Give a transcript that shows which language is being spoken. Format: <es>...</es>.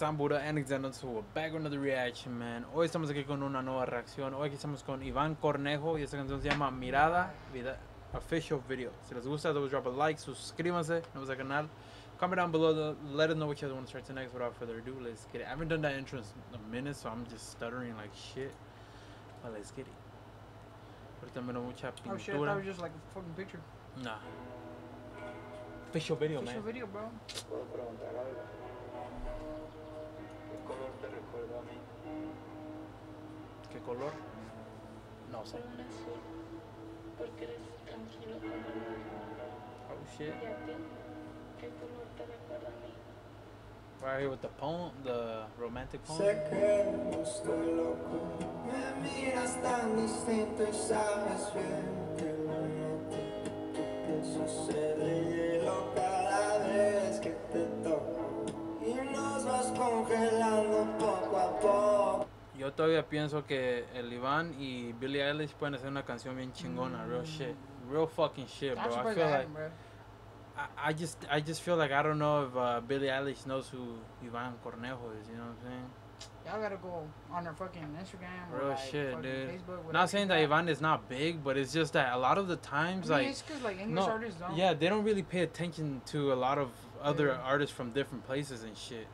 <en>I'm Buda and Xandon, so we're back with another reaction, man.</en> <es>Hoy estamos aquí con una nueva reacción. Hoy aquí estamos con Iván Cornejo y esta canción se llama Mirada, Vida Official Video. Si les gusta,</es> <en>double drop a like,</en> <es>suscríbanse, nos vemos al canal.</es> <en>Comment down below, let us know which other one to start to next. Without further ado, let's get it. I haven't done that intro in a minute, so I'm just stuttering like shit. But let's get it.</en> <es>Ahorita me da mucha pintura.</es> <en>Oh shit, I thought it was just like a fucking picture. Nah. Official video, official man. Official video, bro.</en> <es>¿Qué color? No sé. Porque eres tranquilo como el mar.</es> <en>Oh shit.</en> <es>¿Y a ti? ¿Qué color te recuerda a mí?</es> <en>Right here with the poem, the romantic poem.</en> <es>Sé que no estoy loco. Me miras tan distinto y sabes bien que no te pienso ser de hielo cada vez que te toco. Y nos vas congelando poco a poco. Yo todavía pienso que el Iván y Billie Eilish pueden hacer una canción bien chingona,</es> <en>real shit, real fucking shit, bro. That's I feel Latin, like, bro. I just feel like I don't know if Billie Eilish knows who Iván Cornejo is, you know what I'm saying? Y'all gotta go on her fucking Instagram, real or like, shit, fucking dude. Facebook. Not saying that Iván is not big, but it's just that a lot of the times, I mean, like, it's cause, like, English artists don't. Yeah, they don't really pay attention to a lot of other artists from different places and shit.</en>